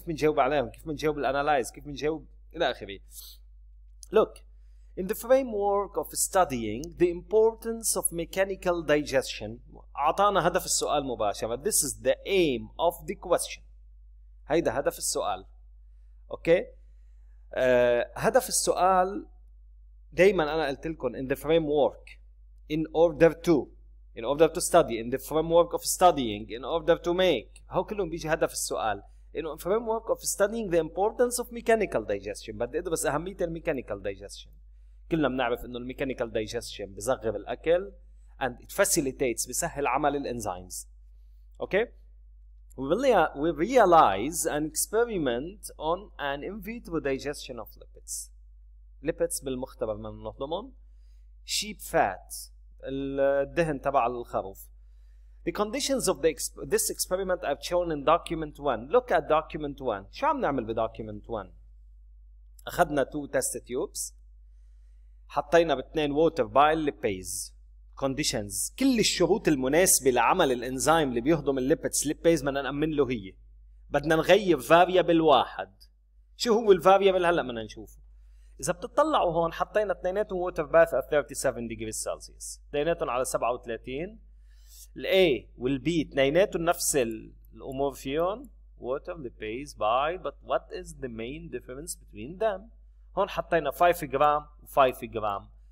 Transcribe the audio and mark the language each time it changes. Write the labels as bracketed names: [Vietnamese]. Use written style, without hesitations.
[Arabic] كيف منجاوب عليهم؟ كيف منجاوب الانالايز؟ كيف منجاوب إلى آخره. [English] Look, in the framework of studying the importance of mechanical digestion, [Arabic] أعطانا هدف السؤال مباشرة. [English] This is the aim of the question. [Arabic] هيدا هدف السؤال. Okay. هدف السؤال دايما أنا قلت لكم [English] in the framework. In order to study, in the framework of studying, in order to make. [Arabic] How كلهم بيجي هدف السؤال? [English] In the framework of studying the importance of mechanical digestion. [Arabic] بدي أدرس أهمية الميكانيكال digestion. كلنا بنعرف إنه الميكانيكال digestion بيصغر الأكل [English] and it facilitates, [Arabic] بيسهل عمل الإنزيمز. [English] Okay? We realize an experiment on an in vitro digestion of lipids. [Arabic] Lipids بالمختبر من نهضمهم. [English] Sheep fat. [Arabic] الدهن تبع الخروف. [English] The conditions of the this experiment I've shown in document 1. Look at document 1. [Arabic] شو عم نعمل بدوكيمنت 1؟ أخذنا 2 test tubes. حطينا باثنين water bile lipase. [English] Conditions. [Arabic] كل الشروط المناسبة لعمل الإنزيم اللي بيهضم الليبتس lipase بدنا نأمن له هي. بدنا نغير variable واحد. شو هو ال variable هلا بدنا نشوفه. إذا بتطلعوا هون حطينا اثنيناتهم [English] water bath at 37 degrees Celsius، [Arabic] اثنيناتهم على 37. الـ A والـ B اثنيناتهم نفس الأمور فيهم، [English] water lipase by but what is the main difference between them؟ [Arabic] هون حطينا 5 جرام و 5 جرام.